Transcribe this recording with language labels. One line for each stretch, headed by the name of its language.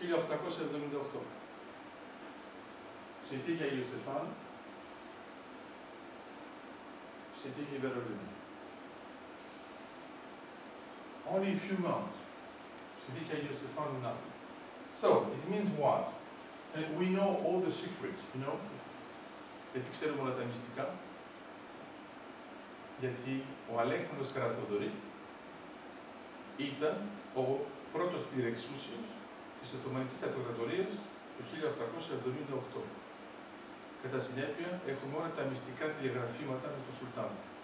Greek: 1878. Συνθήκη Αγίου Στεφάνου. Συνθήκη Βερολίνου.
English: Only a few months. Συνθήκη Αγίου Στεφάνου nothing. So, it means what? And we know all the secrets, you know?
Greek: Γιατί ξέρουμε όλα τα μυστικά. Γιατί ο Αλέξανδρος Καραθοδωρή ήταν ο πρώτος πυρεξούσιος της Οθωμανικής Αυτοκρατορίας το 1878. Κατά συνέπεια έχουμε όλα τα μυστικά τηλεγραφήματα με τον Σουλτάνο.